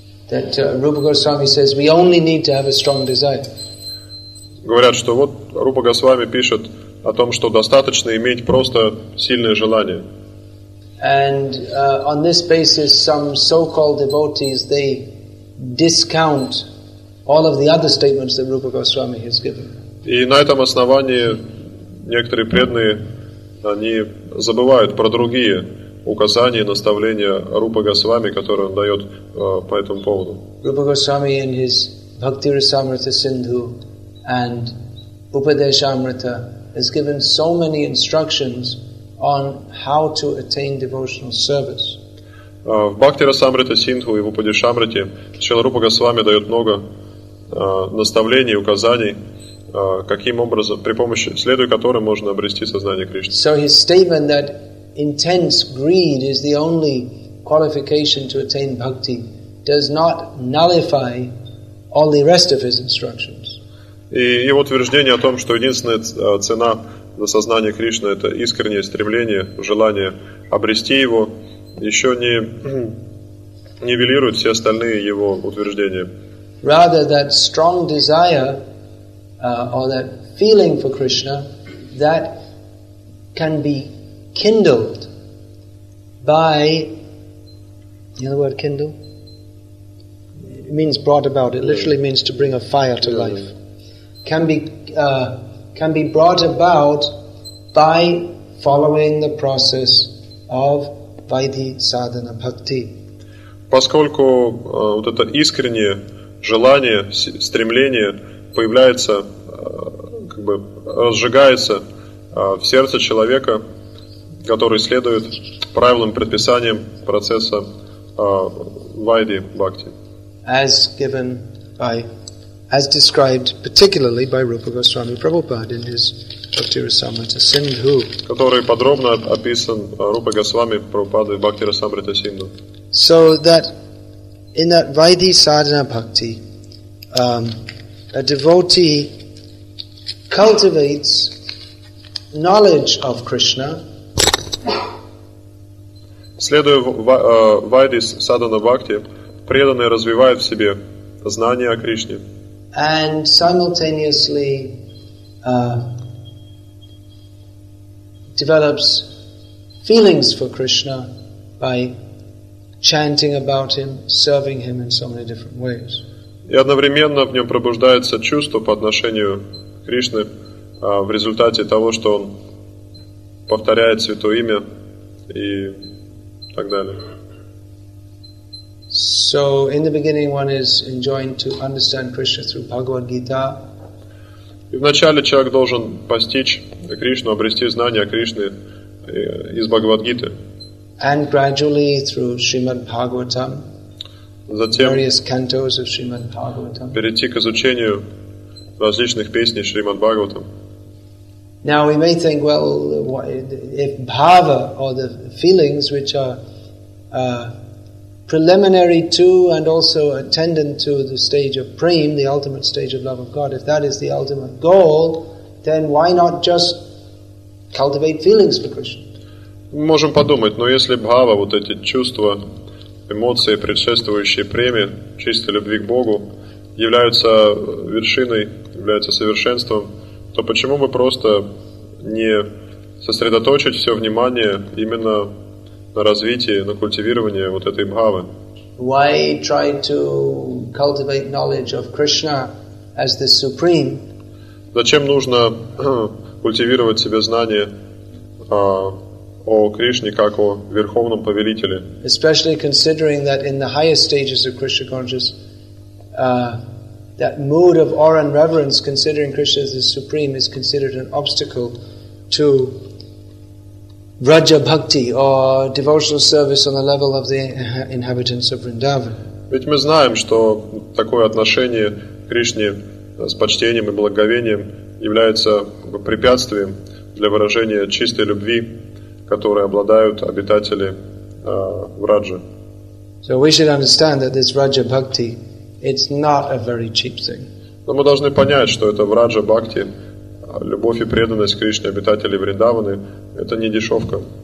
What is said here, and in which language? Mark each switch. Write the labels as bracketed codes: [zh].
[en] That Rupa Goswami says we only need to have a strong desire. [ru] Говорят, что вот Рупа Госвами пишет о том, что достаточно иметь просто сильное желание. [en] And on this basis, some so-called devotees they discount all of the other statements that Rupa Goswami has given. [ru] И на этом основании некоторые преданные они забывают про другие указания, наставления Рупа Госвами, которые он дает по этому поводу. [en] Rupa Goswami in his Bhakti Rasamrita Sindhu and Upadeshamrita has given so many instructions on how to attain devotional service. [ru] В Бхакти Расамрита Синдху и в Упадешамрите Шрила Рупа Госвами дает много наставлений, указаний, каким образом, при помощи, следуя которым можно обрести сознание Кришны. [en] So his statement that intense greed is the only qualification to attain bhakti does not nullify all the rest of his instructions. [ru] И его утверждение о том, что единственная цена на сознание Кришны это искреннее стремление, желание обрести его, еще не нивелирует все остальные его утверждения. [en] Rather, that strong desire or that feeling for Krishna that can be kindled by The other word kindle means brought about. It literally means to bring a fire to life. Can be brought about by following the process of vaidhi sadhana bhakti. [ru] Поскольку вот это искреннее желание, стремление появляется, как бы разжигается в сердце человека, который следует правилам, предписаниям процесса вайди бхакти. [en] As given by, as described particularly by Rupa Goswami Prabhupada in his Bhakti-rasamrita Sindhu. [ru] Который подробно описан Рупа Госвами Прабхупадой в Бхакти-расамрита Синдху. [en] So that in that vaidhi sadhana bhakti, a devotee cultivates knowledge of Krishna. [ru] Следуя вайди садхана бхакти, преданный развивает в себе знания о Кришне. [en] And simultaneously develops feelings for Krishna by chanting about him, serving him in so many different ways. [ru] И одновременно в нем пробуждается чувство по отношению к Кришне в результате того, что он повторяет святое имя и так далее. [en] So in the beginning one is enjoined to understand Krishna through Bhagavad Gita. [ru] И вначале человек должен постичь Кришну, обрести знания о Кришне из Бхагавад-гиты. [en] And gradually through Srimad Bhagavatam. [ru] Затем [en] various cantos of Srimad Bhagavatam. [ru] Перейти к изучению различных песней Srimad Bhagavatam. [en] Now we may think, well, if bhava or the feelings which are preliminary to and also attendant to the stage of prem, the ultimate stage of love of God, if that is the ultimate goal, then why not just cultivate feelings for Krishna? [ru] Мы можем подумать, но если бхава, вот эти чувства, эмоции, предшествующие преме, чистой любви к Богу, являются вершиной, являются совершенством, то почему бы просто не сосредоточить все внимание именно на развитие, на культивирование вот этой бхавы? [en] Why try to cultivate knowledge of Krishna as the supreme? [ru] Зачем нужно культивировать себе знание о Кришне как о верховном повелителе? [en] Especially considering that in the highest stages of Krishna consciousness, that mood of awe and reverence, considering Krishna as the supreme, is considered an obstacle to Raja Bhakti or devotional service on the level of the inhabitants of Vrindavan. [ru] Ведь мы знаем, что такое отношение к Кришне с почтением и благоговением является препятствием для выражения чистой любви, которой обладают обитатели Враджа. [en] So we should understand that this Raja Bhakti, it's not a very cheap thing. [ru] Но мы должны понять, что это Враджа Бхакти, любовь и преданность Кришне, обитателей Вриндаваны, это не дешевка.